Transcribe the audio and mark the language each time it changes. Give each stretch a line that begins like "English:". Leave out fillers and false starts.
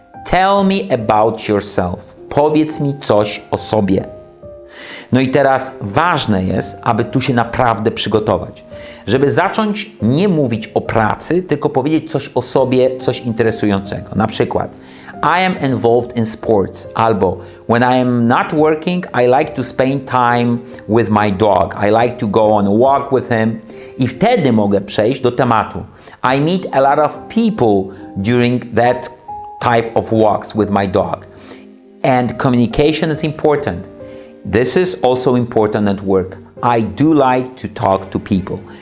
English: Tell me about yourself.
Polish: Powiedz mi coś o sobie. No i teraz ważne jest, aby tu się naprawdę przygotować. Żeby zacząć nie mówić o pracy, tylko powiedzieć coś o sobie, coś interesującego. Na przykład,
English: I am involved in sports. Albo, when I am not working, I like to spend time with my dog. I like to go on a walk with him.
Polish: I wtedy mogę przejść do tematu.
English: I meet a lot of people during that type of walks with my dog. And communication is important. This is also important at work. I do like to talk to people.